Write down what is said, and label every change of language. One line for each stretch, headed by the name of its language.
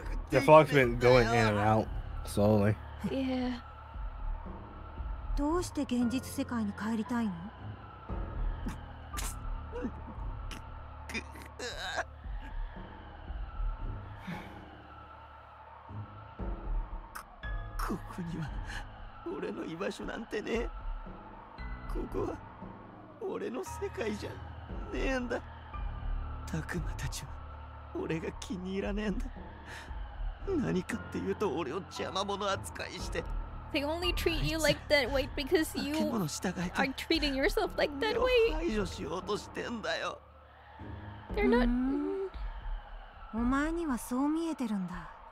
English: The fog's been going in and out slowly. Yeah.
Japanese: どうして現実世界に帰りたいの? ここには俺の居場所なんてねえ。ここは俺の世界じゃねえんだ。たくまたちは俺が気に入らねえんだ。何かっていうと俺を邪魔者扱いして。
English: They only treat you like that way because you are treating yourself like that way. They're not.
Japanese: お前にはそう見えてるんだ。